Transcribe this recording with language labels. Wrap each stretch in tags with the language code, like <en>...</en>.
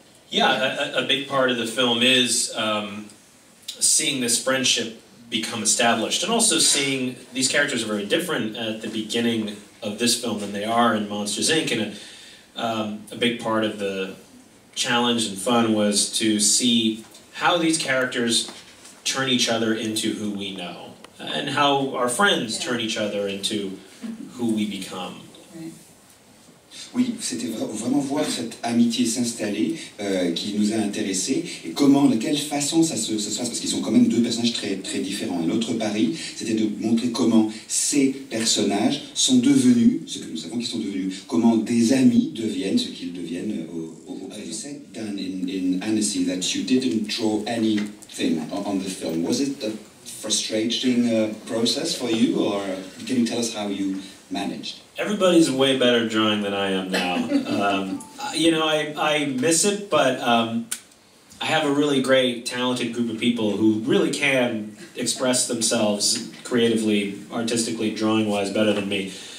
<en>Yeah, a big part of the film is seeing this friendship become established, and also seeing these characters are very different at the beginning of this film than they are in Monsters, Inc. And a big part of the challenge and fun was to see how these characters turn each other into who we know, and how our friends turn each other into who we become.</en> <fr>Oui, c'était vraiment voir cette amitié s'installer qui nous a intéressés et comment, de quelle façon ça se passe, parce qu'ils sont quand même deux personnages très, très différents. Et notre pari, c'était de montrer comment ces personnages sont devenus ce que nous savons qu'ils sont devenus, comment des amis deviennent ce qu'ils deviennent au présent.</fr> <en>You said, Dan, in Annecy, that you didn't draw anything on the film. Was it a frustrating process for you, or can you tell us how you managed? Everybody's way better drawing than I am now. You know, I miss it, but I have a really great, talented group of people who really can express themselves creatively, artistically, drawing-wise, better than me.</en>